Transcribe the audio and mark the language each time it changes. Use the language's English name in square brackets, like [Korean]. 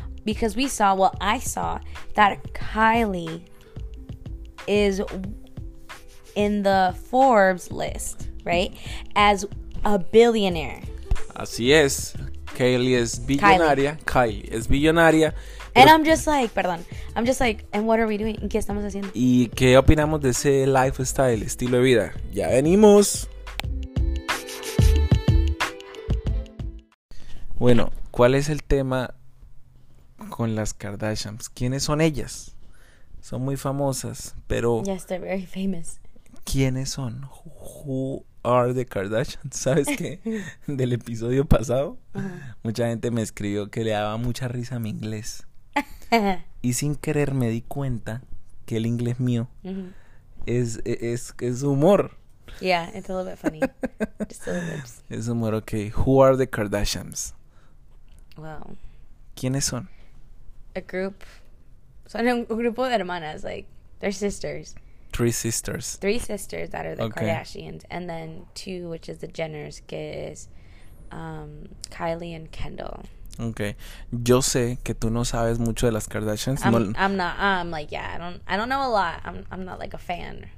[English] Because we saw, well, I saw that Kylie is in the Forbes list, right? As a billionaire. [Spanish] Así es. Kylie es billonaria. Kylie es billonaria. [English] And I'm just like, [Spanish] perdón. [English] I'm just like, and what are we doing? [Spanish] ¿Qué estamos haciendo? ¿Y qué opinamos de ese lifestyle, estilo de vida? Ya venimos. Bueno, ¿cuál es el tema con las Kardashians? ¿Quiénes son ellas? Son muy famosas, pero... [English] Yes, they're very famous. [Spanish] ¿Quiénes son? [English] Who are the Kardashians? [Spanish] ¿Sabes qué? Del episodio pasado, mucha gente me escribió que le daba mucha risa a mi inglés. Y sin querer me di cuenta que el inglés mío es humor. [English] Yeah, it's a little bit funny. Just a little bit. [Spanish] Es humor, [English] ok. Who are the Kardashians? Wow. [Spanish] ¿Quiénes son? [English] A group, [Spanish] son un grupo de hermanas, [English] like, they're sisters. Three sisters that are the okay. Kardashians, and then two, which is the Jenners, [Spanish] que es [English] Kylie and Kendall. [Spanish] Okay, yo sé que tú no sabes mucho de las Kardashians. [English] I don't know a lot, I'm not like a fan.